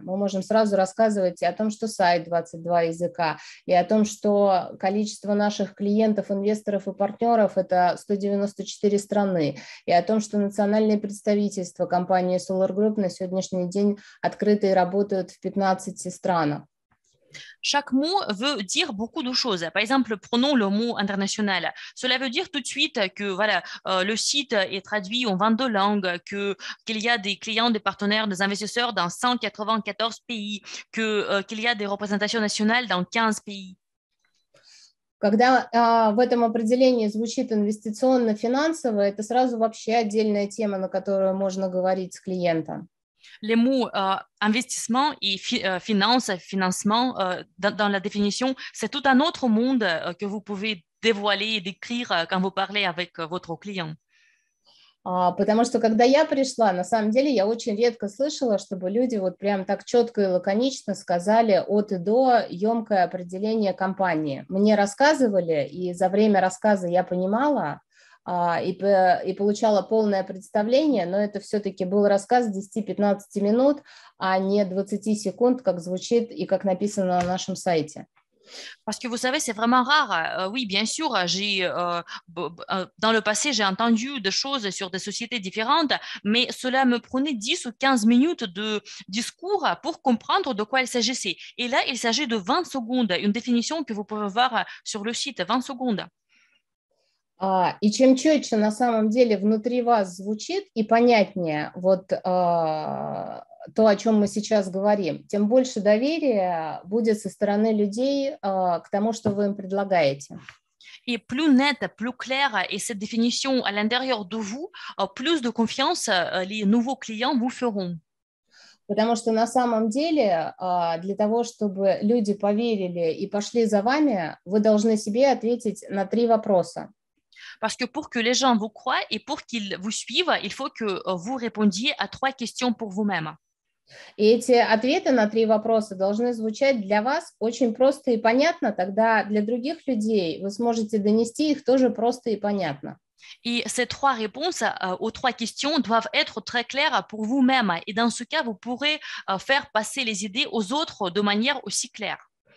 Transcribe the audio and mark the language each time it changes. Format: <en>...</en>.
<ru>Мы можем сразу рассказывать и о том, что сайт 22 языка, и о том, что количество наших клиентов, инвесторов и партнеров – это 194 страны, и о том, что национальные представительства компании Solar Group на сегодняшний день открыты и работают в 15 странах.</ru> <fr>Chaque mot veut dire beaucoup de choses. Par exemple, prenons le mot international. Cela veut dire tout de suite que voilà, le site est traduit en 22 langues, qu'il y a des clients, des partenaires, des investisseurs dans 194 pays, qu'il y a des représentations nationales dans 15 pays.</fr> <ru>Когда в этом определении звучит инвестиционно-финансово, это сразу вообще отдельная тема, на которую можно говорить с клиентом.</ru> <fr>Les mots investissement et finance, financement, dans la définition, c'est tout un autre monde que vous pouvez dévoiler et décrire quand vous parlez avec votre client.</fr> <ru>Потому что, когда я пришла, на самом деле, я очень редко слышала, чтобы люди вот прям так четко и лаконично сказали от и до емкое определение компании. Мне рассказывали, и за время рассказа я понимала и получала полное представление, но это все-таки был рассказ 10-15 минут, а не 20 секунд, как звучит и как написано на нашем сайте.</ru> <fr>Parce que vous savez, c'est vraiment rare. Oui, bien sûr, dans le passé, j'ai entendu des choses sur des sociétés différentes, mais cela me prenait 10 ou 15 minutes de discours pour comprendre de quoi il s'agissait. Et là, il s'agit de 20 secondes, une définition que vous pouvez voir sur le site, 20 secondes.</fr> <ru>И чем четче на самом деле внутри вас звучит и понятнее вот то, о чем мы сейчас говорим, тем больше доверия будет со стороны людей к тому, что вы им предлагаете. И</ru> <fr>plus net, plus clair et cette définition à l'intérieur de vous, plus de confiance les nouveaux clients vous feront.</fr> <ru>Потому что на самом деле для того, чтобы люди поверили и пошли за вами, вы должны себе ответить на три вопроса.</ru> <fr>Parce que pour que les gens vous croient et pour qu'ils vous suivent, il faut que vous répondiez à trois questions pour vous-même. Et</fr> <ru>эти ответы на три вопроса должны звучать для вас очень просто и понятно, тогда для других людей вы сможете донести их тоже просто и понятно.</ru> <fr>Et ces trois réponses aux trois questions doivent être très claires pour vous-même. Et dans ce cas, vous pourrez faire passer les idées aux autres de manière aussi claire.</fr>